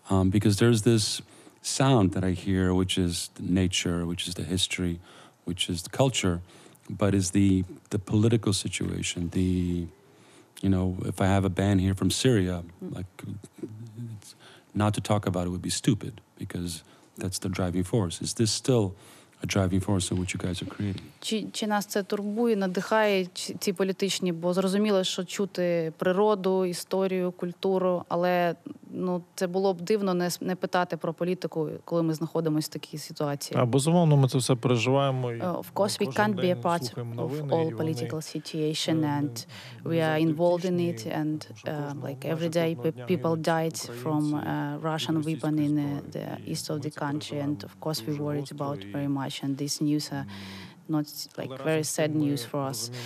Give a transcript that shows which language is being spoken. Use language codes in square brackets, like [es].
[en] Because there's this sound that I hear, which is the nature, which is the history, which is the culture, but is the political situation, the, you know, if I have a band here from Syria, like, it's, not to talk about it would be stupid, because that's the driving force. Is this still a driving force in what you guys are creating? [uk] Чи нас це турбує, надихає ці політичні, бо зрозуміло, що чути природу, історію, культуру, але, ну, це було б дивно не питати про політику, коли ми знаходимося в такій ситуації. А безумовно, ми це все переживаємо. [en] Of course, we can't be a part of all political situation, and we are involved in it, and like every day people died from Russian weapon in the east of the country, and of course we worried about very much, and this news not like very sad news for us.